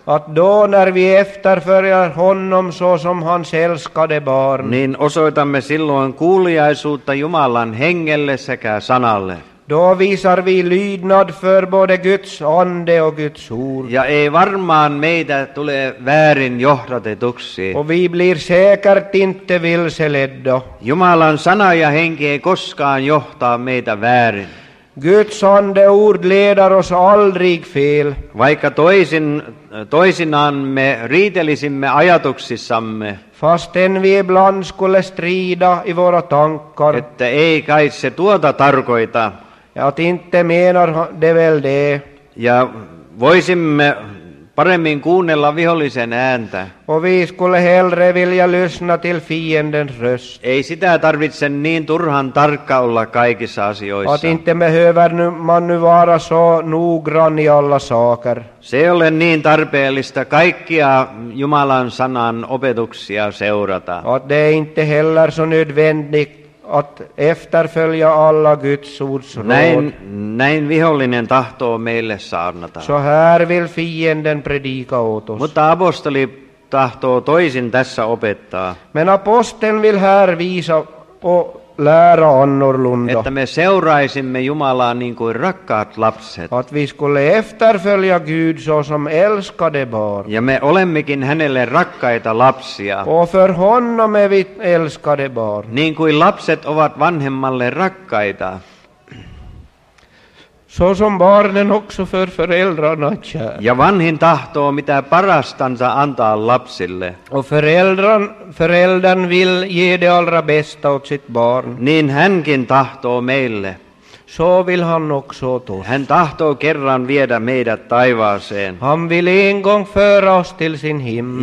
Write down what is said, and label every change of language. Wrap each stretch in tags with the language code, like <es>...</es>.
<sv>Att då när vi efterföljar honom så som hans älskade barn.</sv> <fi>Niin osoitamme silloin kuuliaisuutta Jumalan hengelle sekä sanalle.</fi> <sv>Då visar vi lydnad för både Guds ande och Guds ord.</sv> <fi>Ja ei varmaan meitä tule väärin johdatetuksi.</fi> <sv>Och vi blir säkert inte vilseledda.</sv> <fi>Jumalan sana ja henki ei koskaan johtaa meitä väärin.</fi> <sv>Guds ande ord leder oss aldrig fel.</sv> <fi>Vaikka toisinaan me riitelisimme ajatuksissamme.</fi> <sv>Fastän vi ibland skulle strida i våra tankar.</sv> <fi>Että ei kai se tuota tarkoita.</fi> <sv>Ja att inte menar det väl det.</sv> <fi>Ja voisimme paremmin kuunnella vihollisen ääntä.</fi> <sv>Och vi skulle hellre vilja lyssna till fiendens röst.</sv> <fi>Ei sitä tarvitse niin turhan tarkka olla kaikissa asioissa.</fi> <sv>Att inte behöver man nu vara så noggrann i alla saker.</sv> <fi>Se ei ole niin tarpeellista kaikkia Jumalan sanan opetuksia seurata.</fi> <sv>Att det är inte heller så nödvändigt att efterfölja alla Guds ords råd.</sv> <fi>Näin vihollinen tahtoo meille saarnata.</fi> <sv>Så här vill fienden predika åt oss.</sv> <fi>Mutta apostoli tahtoo toisin tässä opettaa.</fi> <sv>Men aposteln vill här visa och lära annorlunda.</sv> <fi>Att vi seuraisimme Jumalaa niin kuin rakkaat lapset.</fi> <sv>Att vi skulle efterfölja Gud så som älskade barn.</sv> <fi>Ja me olemmekin hänelle rakkaita lapsia.</fi> <sv>Och för honom är vi älskade barn.</sv> <fi>Niin kuin lapset ovat vanhemmalle rakkaita.</fi> <sv>Så som barnen också för föräldrarna kär.</sv> <fi>Ja vanhin tahtoo mitä parastansa antaa lapsille.</fi> <sv>Och föräldern vill ge det allra bästa åt sitt barn.</sv> <fi>Niin hänkin tahtoo meille.</fi> <sv>Så vill han också åt oss.</sv> <fi>Hän tahtoo kerran viedä meidät taivaaseen.</fi> <sv>Han vill en gång föra oss till sin himmel.</sv>